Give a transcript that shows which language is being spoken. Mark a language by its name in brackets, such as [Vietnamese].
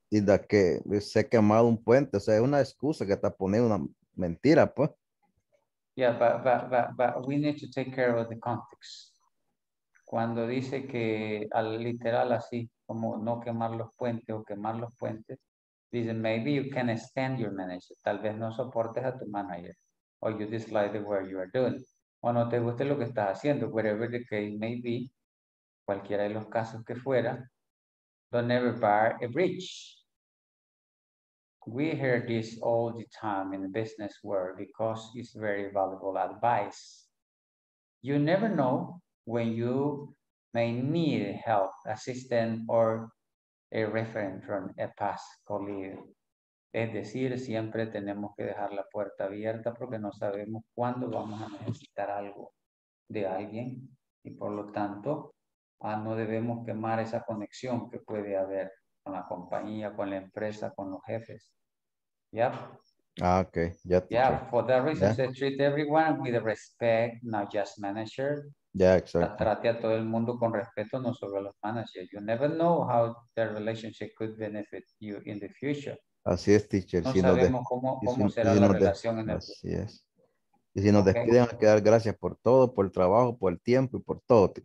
[Spanish] Y de que se ha quemado un puente, o sea, es una excusa que está poniendo una mentira, pues. [English] Yeah, but we need to take care of the context. [Spanish] Cuando dice que al literal así, como no quemar los puentes o quemar los puentes, dice, [English] maybe you can stand your manager, [Spanish] tal vez no soportes a tu manager, [English] or you dislike the work you are doing, [Spanish] o no te guste lo que estás haciendo, [English] whatever the case may be, [Spanish] cualquiera de los casos que fuera. [English] Don't ever bar a bridge. We hear this all the time in the business world because it's very valuable advice. You never know when you may need help, assistance, or a reference from a past colleague. [Spanish] Es decir, siempre tenemos que dejar la puerta abierta porque no sabemos cuándo vamos a necesitar algo de alguien y por lo tanto, no debemos quemar esa conexión que puede haber con la compañía, con la empresa, con los jefes. [English] Yep. Ah, okay. Yep. Yeah. For that reason, yeah. Treat everyone with respect, not just manager. Yeah, exactly. [Spanish] Trate a todo el mundo con respeto, no solo a los managers. [English] You never know how their relationship could benefit you in the future. [Spanish] Así es, teacher. No si sabemos cómo será si la relación en el futuro. Así es. Y si nos despiden, hay que dar gracias por todo, por el trabajo, por el tiempo y por todo.